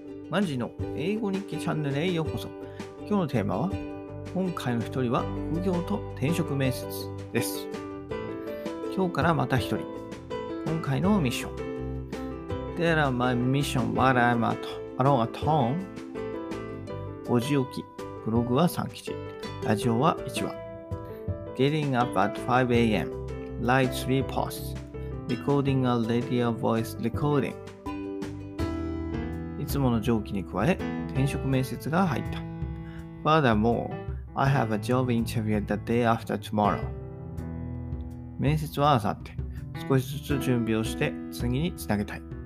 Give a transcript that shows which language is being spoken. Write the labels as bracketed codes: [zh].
[ja] マンジーの英語日記チャンネルへようこそ。今日のテーマは、今回の一人は副業と転職面接です。今日からまた一人、今回のミッション。 [en] There are my mission while I'm at alone at home。 [ja] 5時起き、ブログは3記事、ラジオは1話。 [en] Getting up at 5 a.m. Write 3 posts。 Recording a radio voice recording。 [ja] いつもの上記に加え、転職面接が入った。 [en] Furthermore, I have a job interview the day after tomorrow. [ja] 面接は明後日。少しずつ準備をして次につなげたい。